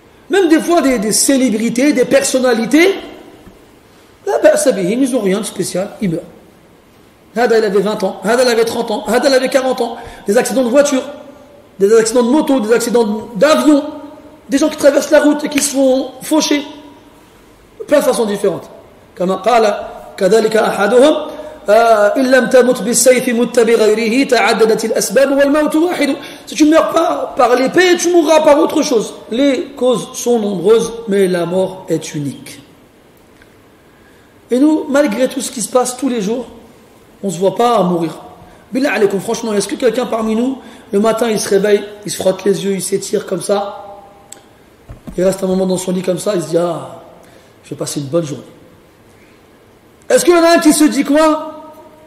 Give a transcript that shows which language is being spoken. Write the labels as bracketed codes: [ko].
[fr] Même des fois des célébrités, des personnalités, là, ben, sabihim, ils n'ont rien de spécial, ils meurent. Hada, il avait 20 ans, Hada, il avait 30 ans, Hada, il avait 40 ans. Des accidents de voiture, des accidents de moto, des accidents d'avion, des gens qui traversent la route et qui se font faucher. Plein de façons différentes. Comme a dit, [ar] كَذَلِكَ أَحَدُهُمْ إِنْ لَمْ تَمُتْ بِالسَّيْفِ مُتَّبِ غَيْرِهِ تَعَدَّدَتِ الْأَسْبَابُ وَالْمَوْتُ وَاحِدُ. [fr] Si tu ne meurs pas par l'épée, tu mourras par autre chose. Les causes sont nombreuses, mais la mort est unique. Et nous, malgré tout ce qui se passe tous les jours, on ne se voit pas à mourir. [ar] Billah alaykoum, [fr] franchement, est-ce que quelqu'un parmi nous, le matin, il se réveille, il se frotte les yeux, il s'étire comme ça, il reste un moment dans son lit comme ça, il se dit « Ah, je vais passer une bonne journée. » Est-ce qu'il y en a un qui se dit quoi ?